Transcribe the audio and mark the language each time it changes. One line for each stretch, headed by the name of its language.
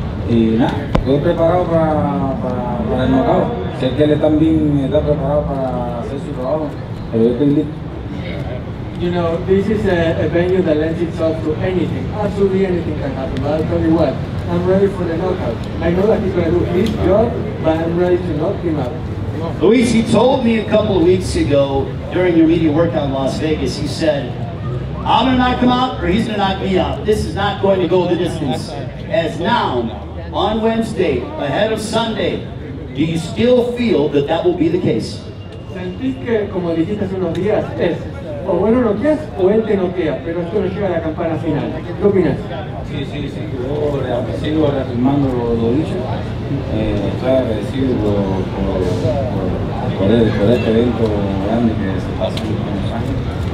Spanish: Y nada, estoy preparado para el knockout. Sé que él también está preparado para hacer su trabajo, pero yo estoy listo.
English: You know, this is a venue that lends itself to anything. Absolutely anything can happen, but I'll tell you what. I'm ready for the knockout. I know that he's going to do his job, but I'm ready to knock him out. Luis, he told me a couple of weeks ago during your media workout in Las Vegas, he said, I'm going to knock him out or he's going to knock me out. This is not going to go the distance. As now, on Wednesday, ahead of Sunday, do you still feel that that will be the case?
Spanish: Sentís que, como dijiste hace unos días, es o bueno noqueas o él te noquea, pero esto no llega a la campana final. ¿Qué opinas? Sí, yo sigo reafirmando lo dicho. Estoy agradecido por este evento grande que se pasa en Los Ángeles.